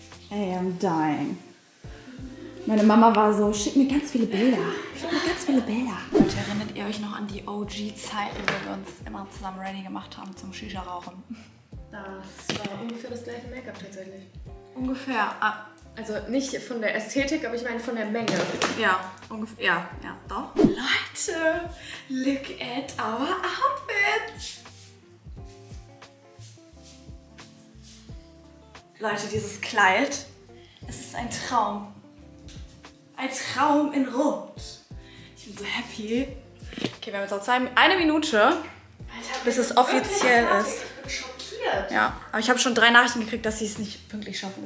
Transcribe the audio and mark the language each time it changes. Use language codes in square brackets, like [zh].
[en] I am dying. [de] Meine Mama war so, schick mir ganz viele Bilder. Schick mir ganz viele Bilder. Und erinnert ihr euch noch an die OG-Zeiten, wo wir uns immer zusammen ready gemacht haben zum Shisha-Rauchen? Das war ungefähr das gleiche Make-up tatsächlich. Ungefähr. Also nicht von der Ästhetik, aber ich meine von der Menge. Ja, ungefähr. Ja, ja, doch. [en] Leute, look at our outfits. [de] Leute, dieses Kleid, es ist ein Traum. Ein Traum in Rot. Ich bin so happy. Okay, wir haben jetzt noch eine Minute, Alter, bis es offiziell ist. Ja, aber ich habe schon drei Nachrichten gekriegt, dass sie es nicht pünktlich schaffen.